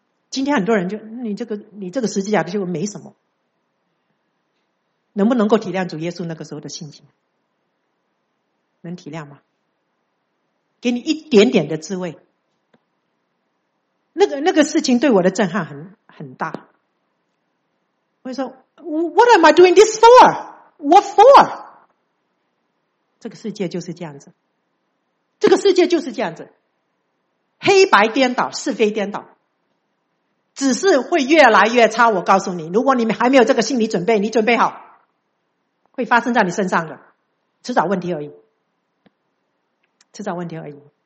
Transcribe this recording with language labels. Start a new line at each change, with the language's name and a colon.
Chinese: 今天很多人就你这个十字架的就没什么，能不能够体谅主耶稣那个时候的心情？能体谅吗？给你一点点的滋味。那个事情对我的震撼很大。我就说
English: What am I doing this for? What for?
Chinese: 这个世界就是这样子，这个世界就是这样子，黑白颠倒，是非颠倒，只是会越来越差。我告诉你，如果你们还没有这个心理准备，你准备好，会发生在你身上的，迟早问题而已，迟早问题而已。